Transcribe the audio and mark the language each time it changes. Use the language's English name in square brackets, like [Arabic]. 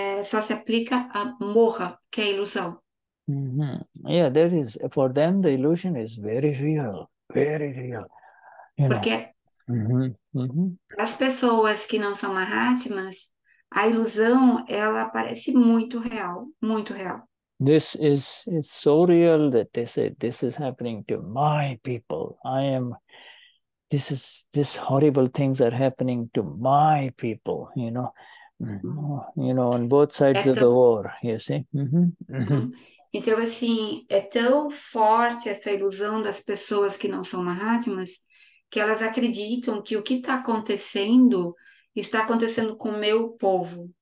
[Portuguese] só se aplica a Moha, que é a ilusão. [English] Mm-hmm. Yeah, that is... For them, the illusion is very real. Very real. [Portuguese] Porque... Uhum. As pessoas que não são Mahatmas, a ilusão, ela parece muito real, muito real. [English] This is, it's so real that they say, this is happening to my people. I am, this is, this horrible things are happening to my people, you know. Uhum. You know, on both sides of the war, you see. Uhum. [Portuguese] Então, assim, é tão forte essa ilusão das pessoas que não são Mahatmas, que elas acreditam que o que está acontecendo com o meu povo.